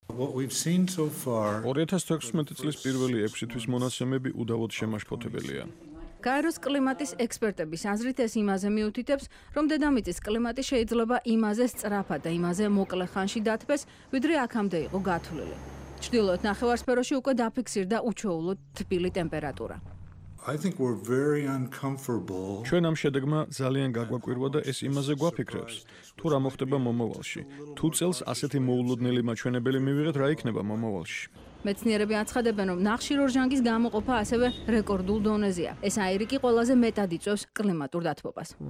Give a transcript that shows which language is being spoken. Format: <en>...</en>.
<en>What we've seen so far</en> <ka>2016 წლის პირველი 6 თვის მონაცემები უდავოდ შემაშფოთებელია. კაიროს კლიმატის ექსპერტების აზრით ეს იმაზე მიუთითებს, რომ დედამიწის კლიმატი შეიძლება იმაზე სწრაფად და იმაზე მოკლე ხანში დათბეს, ვიდრე აქამდე იყო გათვლილი. ჩრდილოეთ ნახევარსფეროში უკვე დაფიქსირდა უჩვეულო თბილი ტემპერატურა.</ka> <en>I think we're very uncomfortable.</en> <ka>ჩვენ ამ შედეგმა ძალიან გაგვაკვირვა და ეს იმაზე გვაფიქრებს, თუ რა მოხდება მომავალში. თუ წელს ასეთი მოულოდნელი მაჩვენებელი მივიღეთ, რა იქნება მომავალში? მეცნიერები აცხადებენ, რომ ნახშირორჟანგის გამოყოფა ასევე რეკორდულ დონეზეა. ეს აირიკი ყველაზე მეტად იწვევს კლიმატურ დათბობას.</ka>